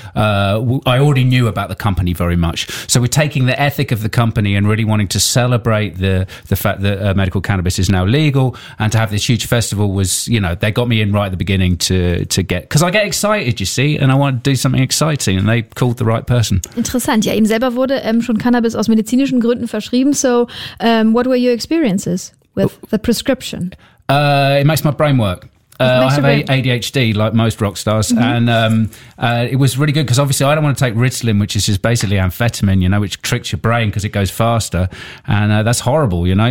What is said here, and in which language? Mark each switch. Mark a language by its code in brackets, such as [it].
[en] I already knew about the company very much. So we're taking the ethic of the company and really wanting to celebrate the fact that medical cannabis is now legal. And to have this huge festival was, you know, they got me in right at the beginning to get, because I get excited, you see, and I want to do something exciting. And they called the right person. [de] Interessant. Ja, ihm selber wurde schon Cannabis aus medizinischen Gründen verschrieben. [en] So what were your experiences with the prescription? It makes my brain work. I have ADHD like most rock stars, mm-hmm. and it was really good because obviously I don't want to take Ritalin, which is just basically amphetamine, you know, which tricks your brain because it goes faster, and that's horrible, you know.